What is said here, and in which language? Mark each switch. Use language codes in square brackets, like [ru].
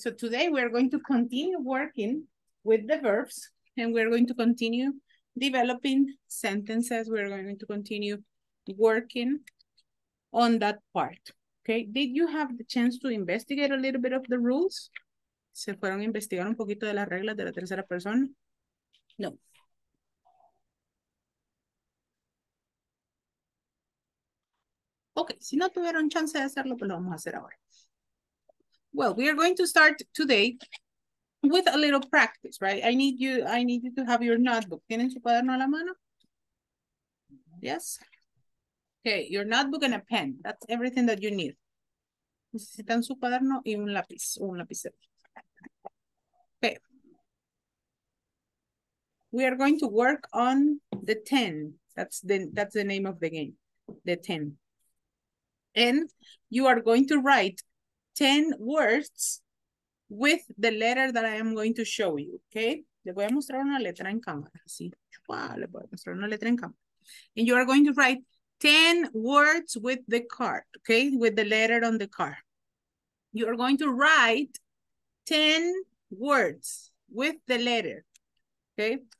[en] So today we're going to continue working with the verbs and we're going to continue developing sentences. We're going to continue working on that part. Okay, did you have the chance to investigate a little bit of the rules? [es] ¿Se fueron a investigar un poquito de las reglas de la tercera persona? No. Okay, si no tuvieron chance de hacerlo, pues lo vamos a hacer ahora. [en] Well, we are going to start today with a little practice, right? I need you to have your notebook. [es] ¿Tienen su cuaderno a la mano? [en] Yes. Okay, your notebook and a pen. That's everything that you need. [es] Necesitan su cuaderno y un lápiz o un lapicero. [en] Okay. We are going to work on the 10. That's the name of the game, the 10. And you are going to write 10 words with the letter that I am going to show you, okay? [es] Le voy a mostrar una letra en cámara, así. Le voy a mostrar una letra en cámara. [en] And you are going to write 10 words with the card, okay? With the letter on the card. You are going to write 10 words with the letter, okay?